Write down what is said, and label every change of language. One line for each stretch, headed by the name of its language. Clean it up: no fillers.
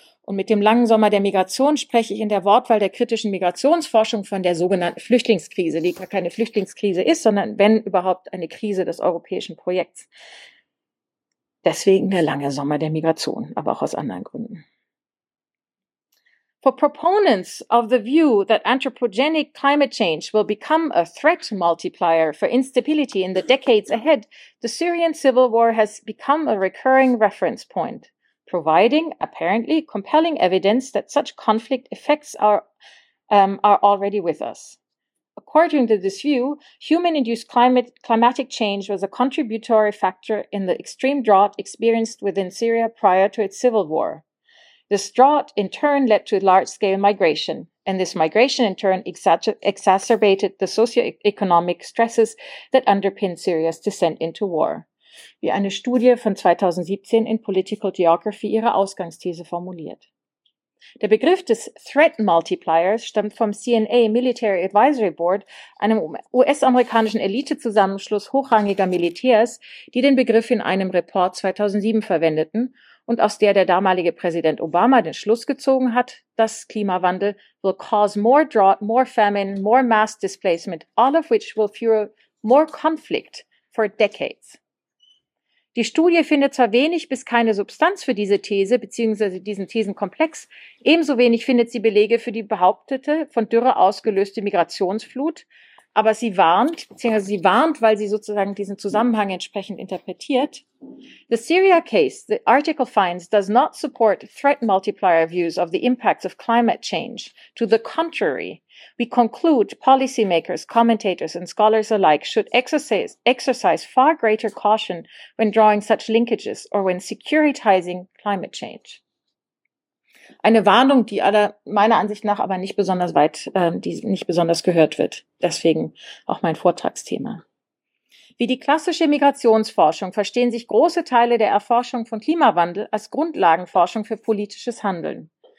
German: Und mit dem langen Sommer der Migration spreche ich in der Wortwahl der kritischen Migrationsforschung von der sogenannten Flüchtlingskrise, die gar keine Flüchtlingskrise ist, sondern wenn überhaupt eine Krise des europäischen Projekts. Deswegen der lange Sommer der Migration, aber auch aus anderen Gründen.
English: For proponents of the view that anthropogenic climate change will become a threat multiplier for instability in the decades ahead, the Syrian civil war has become a recurring reference point, providing apparently compelling evidence that such conflict effects are already with us. According to this view, human-induced climatic change was a contributory factor in the extreme drought experienced within Syria prior to its civil war. This drought in turn led to large-scale migration, and this migration in turn exacerbated the socioeconomic stresses that underpin Syria's descent into war.
German: Wie eine Studie von 2017 in Political Geography ihre Ausgangsthese formuliert. Der Begriff des Threat Multipliers stammt vom CNA Military Advisory Board, einem US-amerikanischen Elitezusammenschluss hochrangiger Militärs, die den Begriff in einem Report 2007 verwendeten und aus der damalige Präsident Obama den Schluss gezogen hat, dass Klimawandel
English: will cause more drought, more famine, more mass displacement, all of which will fuel more conflict for decades.
German: Die Studie findet zwar wenig bis keine Substanz für diese These bzw. diesen Thesenkomplex, ebenso wenig findet sie Belege für die behauptete, von Dürre ausgelöste Migrationsflut, aber sie warnt, beziehungsweise sie warnt, weil sie sozusagen diesen Zusammenhang entsprechend interpretiert.
English: The Syria case, the article finds, does not support threat multiplier views of the impacts of climate change. To the contrary, we conclude policymakers, commentators and scholars alike should exercise far greater caution when drawing such linkages or when securitizing climate change.
German: Eine Warnung, die aller meiner Ansicht nach aber nicht besonders weit, die nicht besonders gehört wird. Deswegen auch mein Vortragsthema. Wie die klassische Migrationsforschung verstehen sich große Teile der Erforschung von Klimawandel als Grundlagenforschung für politisches Handeln.